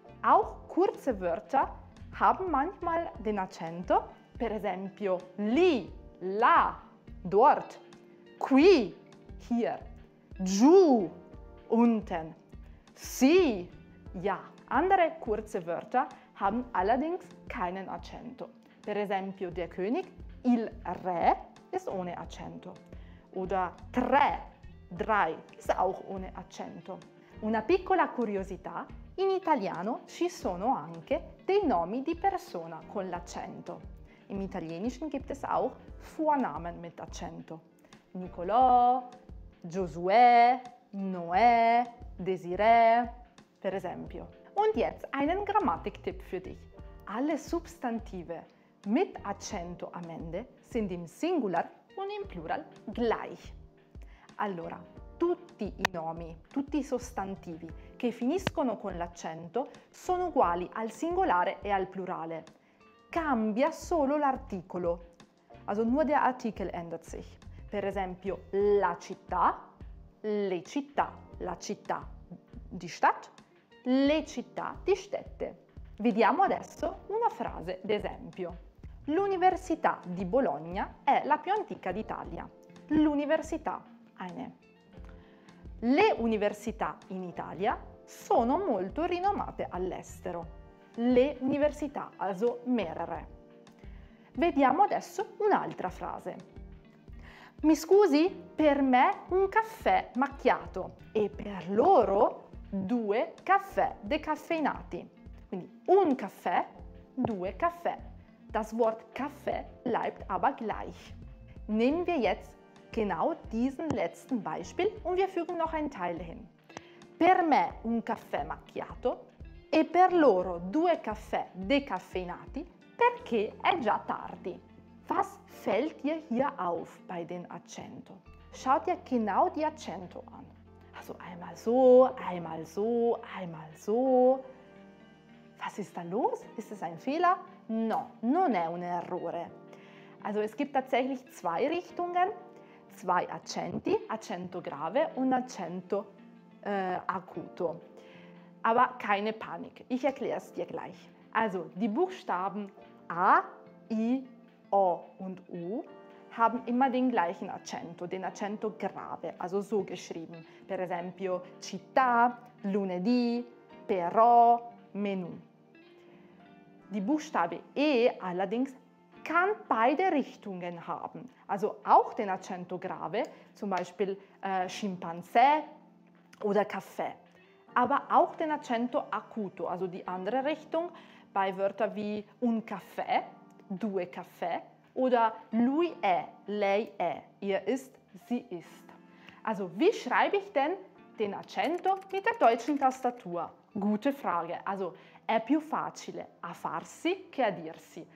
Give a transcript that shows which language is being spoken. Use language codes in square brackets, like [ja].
[de] Auch kurze Wörter haben manchmal den Accento, per esempio lì, là, dort, qui, hier, giù, unten, sì, ja. Andere kurze Wörter haben allerdings keinen Accento. [it] Per esempio, [de] der König, il re, ist ohne Accento. Oder tre, drei, ist auch ohne Accento. [it] Una piccola curiosità, in italiano ci sono anche dei nomi di persona con l'accento. [de] Im Italienischen gibt es auch Vornamen mit Accento. [it] Nicolò, Josué, Noé, Désiré, per esempio. [de] Und jetzt einen Grammatiktipp für dich. Alle Substantive mit Accento am Ende sind im Singular und im Plural gleich. [it] Allora, tutti i nomi, tutti i sostantivi che finiscono con l'accento sono uguali al singolare e al plurale. Cambia solo l'articolo. [de] Also nur der Artikel ändert sich. [it] Per esempio, la città, le città, la città, [de] die Stadt, [it] le città, [de] die Städte. [it] Vediamo adesso una frase d'esempio. L'Università di Bologna è la più antica d'Italia. L'Università, [de] eine. [it] Le Università in Italia sono molto rinomate all'estero. Le Università, [de] also mehrere. [it] Vediamo adesso un'altra frase. Mi scusi, per me un caffè macchiato e per loro due caffè decaffeinati. Quindi un caffè, due caffè. [de] Das Wort Kaffee bleibt aber gleich. Nehmen wir jetzt genau diesen letzten Beispiel und wir fügen noch einen Teil hin. [it] Per me un caffè macchiato e per loro due caffè decaffeinati perché è già tardi. [de] Was fällt dir hier auf bei den Accento? Schau dir genau die Accento an. Also einmal so, einmal so, einmal so. Was ist da los? Ist es ein Fehler? [it] No, non è un errore. [de] Also es gibt tatsächlich zwei Richtungen, zwei Accenti, Accento grave und Accento acuto. Aber keine Panik, ich erkläre es dir gleich. Also die Buchstaben A, I, O und U haben immer den gleichen Accento, den Accento grave, also so geschrieben. Per esempio, città, lunedì, però, menù. Die Buchstabe E allerdings kann beide Richtungen haben, also auch den Accento grave, zum Beispiel Schimpanse oder Kaffee, aber auch den Accento acuto, also die andere Richtung, bei Wörtern wie [it] un caffè, due caffè, [de] oder [it] lui è, lei è, [de] ihr ist, sie ist. Also wie schreibe ich denn den Accento mit der deutschen Tastatur? Gute Frage. [it] Also è più facile a farsi che a dirsi.